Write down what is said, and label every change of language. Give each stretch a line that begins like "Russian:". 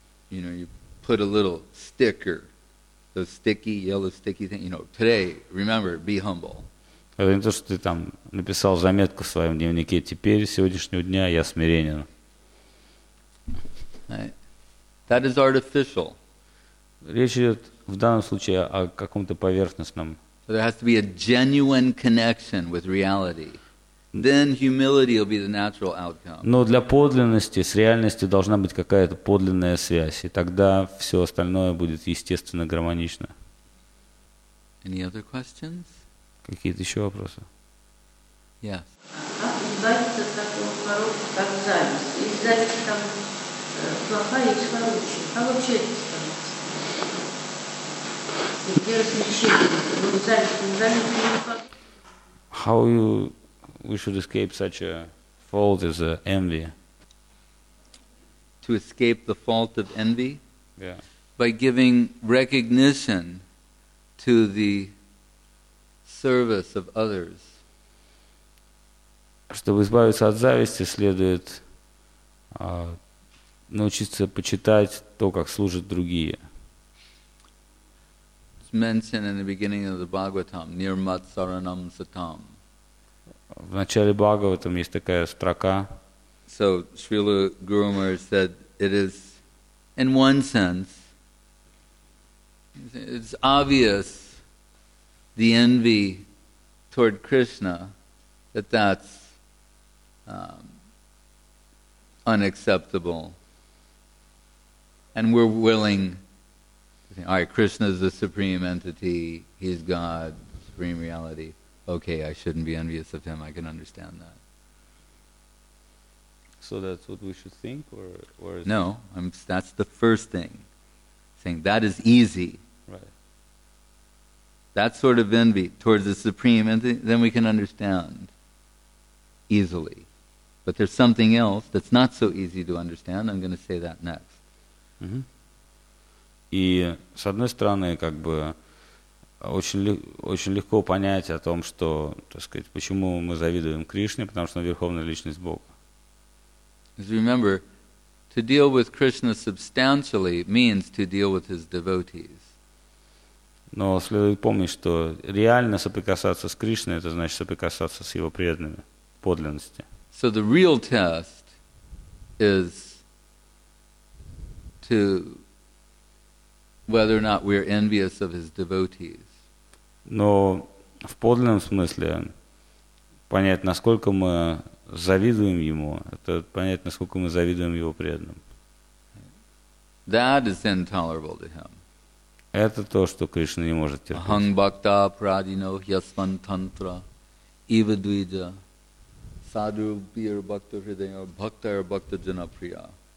English: You know, you put a little sticker, the sticky, yellow sticky thing, you know, today, remember, be humble.
Russian: Это не то, что ты там написал заметку в своем дневнике. Теперь, с сегодняшнего дня, я смиренен.
English: That is artificial.
Russian: Речь идет в данном случае о каком-то поверхностном.
English: So there has to be a genuine connection with reality. Then humility will be the natural outcome.
Russian: Но для подлинности, с реальностью должна быть какая-то подлинная связь. И тогда все остальное будет естественно гармонично.
English: Any other questions?
Russian: Какие-то еще вопросы?
English: Yes.
Russian: Как избавиться от такого хорошего, как зависть? Если зависть там плохая, есть хорошая. Как вообще это становится? Где различение? Ну, зависть, не зависть, не как?
English: How you, we should escape such a fault as envy? To escape the fault of envy? Yeah. By giving recognition to the service of others.
Russian: Чтобы избавиться от зависти, следует научиться почитать то, как служат другие.
English: It's mentioned in the beginning of the Bhagavatam,
Sanskrit: Nirmat Saranam Satam.
Russian: В начале Бхагаватам есть такая строка.
English: So Srila Guru Maharaj said, it is, in one sense, it's obvious the envy toward Krishna, that's unacceptable. And we're willing to think, all right, Krishna is the supreme entity, he's God, supreme reality. okay, I shouldn't be envious of him. I can understand that. So that's what we should think, or is no? That's the first thing. Saying that is easy. Right. That sort of envy towards the Supreme, and then we can understand easily. But there's something else that's not so easy to understand. I'm going to say that next. Mm-hmm.
Russian: И с одной стороны, как бы очень легко понять о том, что, так сказать, почему мы завидуем Кришне, потому что он верховная личность Бога.
English: As you remember, to deal with Krishna substantially means to deal with his devotees.
Russian: Но следует помнить, что реально соприкасаться с Кришной — это значит соприкасаться с его преданными подлинности.
English: So the real test is to whether or not we're envious of his devotees.
Russian: Но в подлинном смысле понять, насколько мы завидуем ему, это понять, насколько мы завидуем его преданным.
English: That is intolerable to him.
Russian: Это то, что Кришна не может терпеть.
Sanskrit: Ахам бхакта прадино ясван тантра ива двиджа садху бир бхакта хридая бхакта бхакта джанаприя.